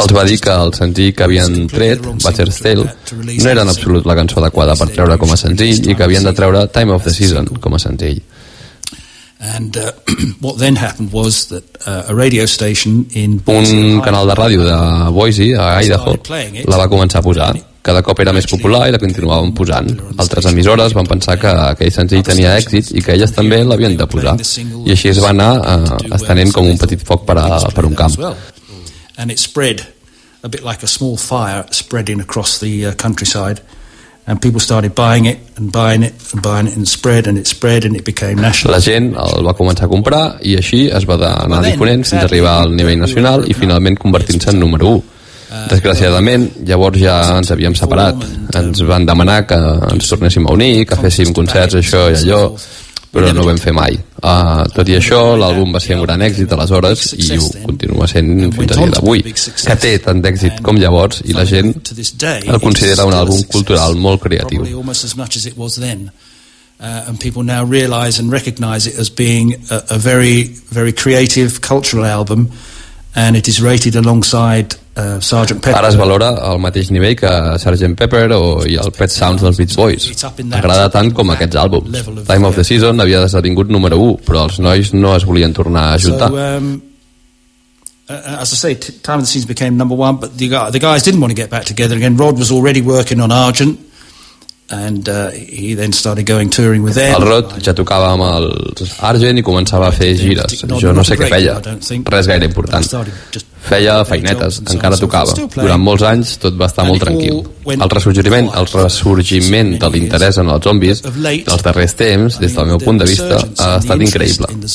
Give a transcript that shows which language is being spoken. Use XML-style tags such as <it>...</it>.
<ca>els va dir que el senzill que havien tret, Butcher Stale, no era en absolut la cançó adequada per treure com a senzill i que havien de treure Time of the Season com a senzill.</ca> <en>And what then happened was that a radio station in</en> <ca>un canal de ràdio de Boise, a Idaho, la va començar a posar. Cada cop era més popular i la continuaven posant. Altres emissores van pensar que aquell senzill tenia èxit i que elles també l'havien de posar. I així es va anar estenent com un petit foc per un camp.</ca> <en>And it spread a bit like a small fire spreading across the countryside. And people started buying it and buying it and buying it and spread and it spread and it became national.</en> <ca>La gent el va començar a comprar i així es va anar difonent fins a arribar al nivell nacional i finalment convertint-se en número 1. Desgraciadament, llavors ja ens havíem separat. Ens van demanar que ens tornéssim a unir, que féssim concerts, això i allò, però no ho vam fer mai. Tot i això, l'àlbum va ser un gran èxit aleshores i ho continua sent fins a dia d'avui, que té tant d'èxit com llavors i la gent el considera un àlbum cultural molt creatiu.</ca> <en>And people now realize and recognize it as being a very, very creative cultural album, and it is rated alongside Sergeant Pepper.</en> <ca>Ara es valora al mateix nivell que Sergeant Pepper o i el Pet Sounds dels Beach Boys. Agrada tant com aquests àlbums. Time of the Season havia desvingut número 1, però els nois no es volien tornar a juntar.</ca> <en>As I say, Time of the Season became number 1, but the guys didn't want to get back together again. Rod was already working on Argent and he then started going touring with them.</en> <ca>El Rod ja tocava amb els Argent i començava a fer gires. Jo no sé què feia, res gaire important. Feia feinetes, encara tocava. Durant molts anys tot va estar molt tranquil. El ressorgiment de l'interès en els zombis dels darrers temps, des del meu punt de vista, ha estat increïble.</ca>